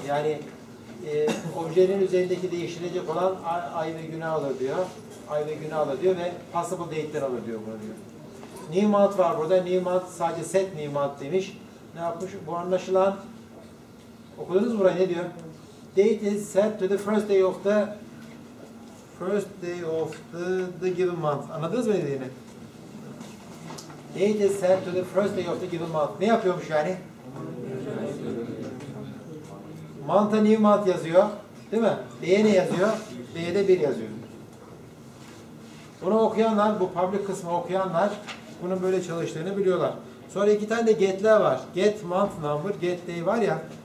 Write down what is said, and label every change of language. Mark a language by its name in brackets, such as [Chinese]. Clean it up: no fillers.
[Turkish] Yani objenin üzerindeki değiştirecek olan ay ve günü alır diyor. Ay ve günü alır diyor ve possible date'ler alır diyor bunu diyor. New month var burada. New month sadece set new month demiş. Ne yapmış? Bu anlaşılan okudunuz mu burayı? Ne diyor? [English] Date is set to the first day of the first day of the given month. [Turkish] Anladınız mı dediğini? [English] Date is set to the first day of the given month. [Turkish] Ne yapıyormuş yani? Month'a new month yazıyor. Değil mi? D'ye ne yazıyor? D'ye de 1 yazıyor. Bunu okuyanlar, bu public kısmı okuyanlar bunun böyle çalıştığını biliyorlar. Sonra iki tane de get'ler var. Get month number, get day var ya.